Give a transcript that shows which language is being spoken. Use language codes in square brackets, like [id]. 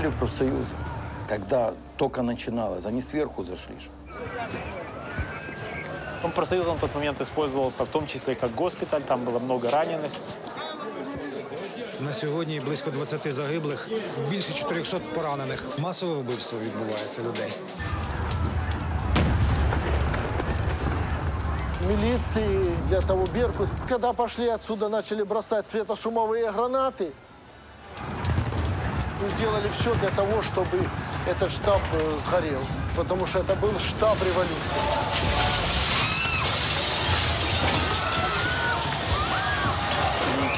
[ru] Союза, когда только начиналось, они сверху зашли. Профсоюз в тот момент использовался в том числе как госпиталь, там было много раненых. [uk] На сьогодні близько 20 загиблих, більше 400 поранених. Масове вбивство відбувається людей. [ru] Милиции для того Беркут, когда пошли отсюда, начали бросать светошумовые гранаты. Мы сделали все для того, чтобы этот штаб сгорел. Потому что это был штаб революции.